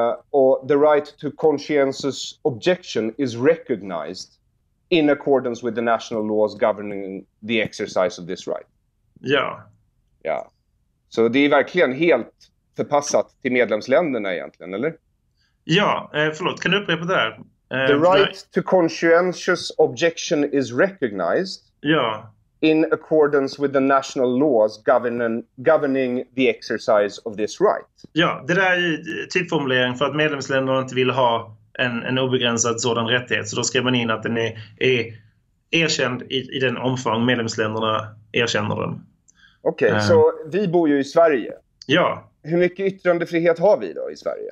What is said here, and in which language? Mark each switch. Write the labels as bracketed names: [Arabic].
[English] Och the right to conscientious objection is recognized in accordance with the national laws governing the exercise of this right. [Swedish] Ja. Ja. Så det är verkligen helt förpassat till medlemsländerna egentligen, eller? Ja, förlåt, kan du upprepa det där? [English] The right to conscientious objection is recognized. [Swedish] Ja. [English] In accordance with the national laws governing the exercise of this right. [Swedish] Ja, det där är ju typformulering för att medlemsländerna inte vill ha en obegränsad sådan rättighet. Så då skriver man in att den är erkänd i den omfång medlemsländerna erkänner den. Okej, okay, så vi bor ju i Sverige. Ja. Hur mycket yttrandefrihet har vi då i Sverige?